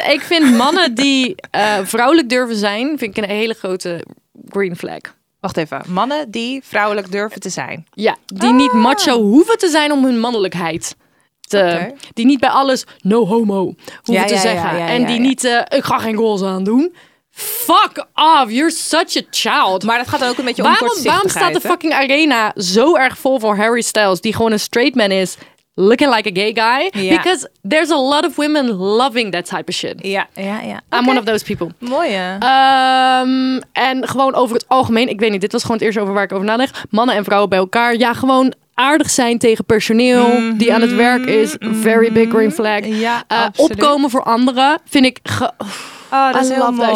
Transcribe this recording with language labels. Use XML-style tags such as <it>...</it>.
<nl>ik vind mannen die vrouwelijk durven zijn, vind ik een hele grote green flag. Wacht even, mannen die vrouwelijk durven te zijn. Ja, die niet macho hoeven te zijn om hun mannelijkheid te... Okay. Die niet bij alles</nl> <en>no homo</en> <nl>hoeven te zeggen. Ja, en die niet, ik ga geen roze aan doen.</nl> <en>Fuck off, you're such a child.</en> <nl>Maar dat gaat ook een beetje om kortzichtigheid. Waarom staat de fucking arena zo erg vol voor Harry Styles, die gewoon een straight man is,</nl> <en>looking like a gay guy? Yeah. Because there's a lot of women loving that type of shit.</en> <nl>Ja.</nl> <en>I'm one of those people.</en> <nl>Mooi, hè? En gewoon over het algemeen, ik weet niet, dit was gewoon het eerste over waar ik over nadenk. Mannen en vrouwen bij elkaar. Ja, gewoon aardig zijn tegen personeel die aan het werk is.</nl> <en>Very big green flag.</en> <nl>Ja, opkomen voor anderen vind ik... dat is heel mooi.</nl>